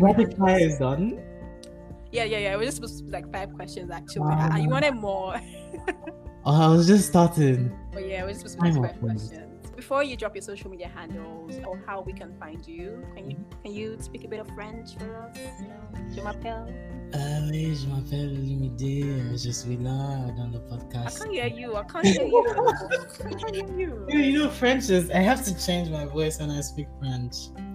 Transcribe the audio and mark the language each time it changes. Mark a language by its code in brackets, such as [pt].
[en] media, rapid fire is done. Yeah. It was just supposed to be like 5 questions actually. Wow. You wanted more. Oh, I was just starting. But yeah, it was supposed to be like 5 questions. Before you drop your social media handles or how we can find you, can you speak a bit of French for us? [fr] Je m'appelle. Je m'appelle Limidé, je suis là dans le podcast. [en] I can't hear you. You know, French is, I have to change my voice when I speak French.